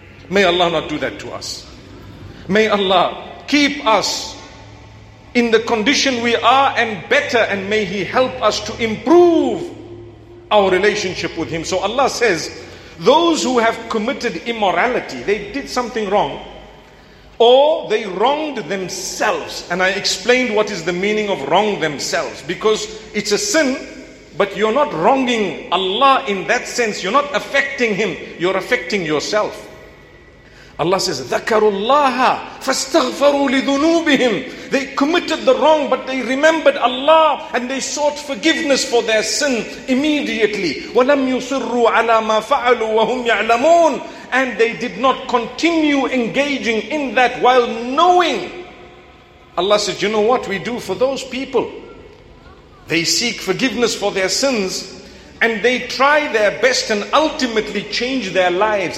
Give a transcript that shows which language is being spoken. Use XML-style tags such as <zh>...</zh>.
<en>May Allah not do that to us. May Allah keep us in the condition we are and better, and may He help us to improve our relationship with Him. So Allah says, those who have committed immorality, they did something wrong, or they wronged themselves. And I explained what is the meaning of wrong themselves, because it's a sin, but you're not wronging Allah in that sense. You're not affecting Him, you're affecting yourself. Allah says,</en> <ar>ذَكَرُوا اللَّهَ فَاسْتَغْفَرُوا لِذُنُوبِهِمْ.</ar> <en>They committed the wrong, but they remembered Allah and they sought forgiveness for their sin immediately.</en> <ar>وَلَمْ يُصِرُّوا عَلَى مَا فَعَلُوا وَهُمْ يَعْلَمُونَ.</ar> <en>And they did not continue engaging in that while knowing. Allah says, you know what we do for those people? They seek forgiveness for their sins and they try their best and ultimately change their lives.</en>